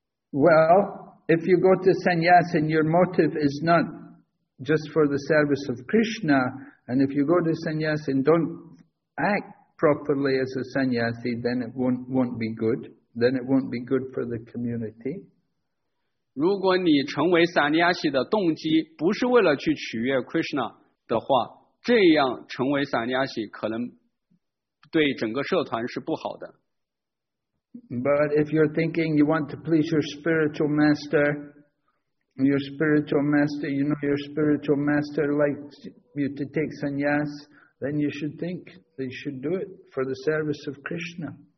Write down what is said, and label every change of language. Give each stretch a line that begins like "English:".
English: Well, if you go to sannyas and your motive is not just for the service of Krishna, and if you go to sannyas and don't act properly as a sannyasi, then it won't be good. Then it won't be good for the community.
Chinese: 如果你成为萨尼亚西的动机不是为了去取悦 Krishna 的话，这样成为萨尼亚西可能对整个社团是不好的。
English: But if you're thinking you want to please your spiritual master, your spiritual master likes you to take sannyas, then you should think they should do it for the service of Krishna.